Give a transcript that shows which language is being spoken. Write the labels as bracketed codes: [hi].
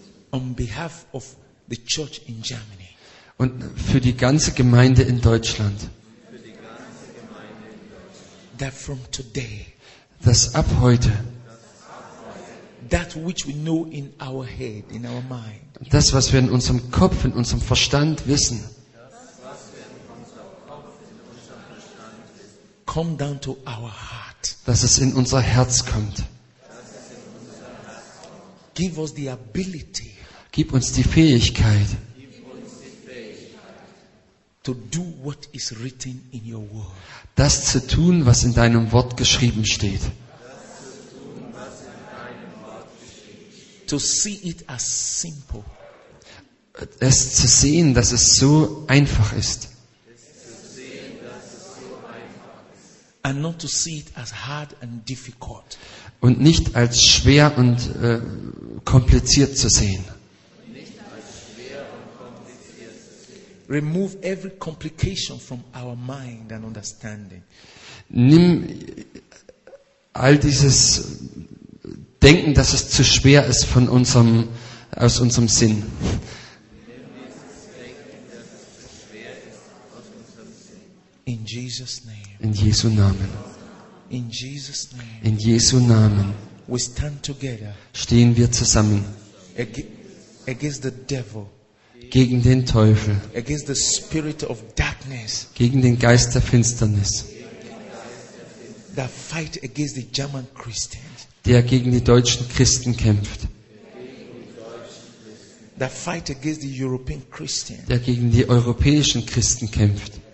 [en] On behalf of the church in Germany. [de] Und für die ganze Gemeinde in Deutschland. [en] That from today. [de] Das ab heute. [en] That which we know in our head, in our mind. [de] Das, was wir in unserem Kopf, in unserem Verstand wissen, [en] come down to our heart. [de] Dass es in unser Herz kommt. [en] Give us the ability. [de] Gib uns die Fähigkeit, [en] to do what is written in your word. [de] Das zu tun, was in deinem Wort geschrieben steht. [en] To see it as simple. [de] Es zu sehen, dass es so einfach ist. [en] And not to see it as hard and difficult. [de] Und nicht als schwer und kompliziert zu sehen. [en] Remove every complication from our mind and understanding. [de] Nimm all dieses Denken, dass es zu schwer ist, von unserem, aus unserem Sinn. [en] In Jesus' name. [de] In Jesu Namen. [en] In Jesus' name. [de] In Jesu Namen. [en] We stand together. [de] Stehen wir zusammen. [en] Against the devil. [de] Gegen den Teufel. [en] Against the spirit of darkness. [de] Gegen den Geist der Finsternis. [en] That fight against the German Christians. [de] Der gegen die deutschen Christen kämpft. [en] That fight against the European Christians. [de] Der gegen die europäischen Christen kämpft.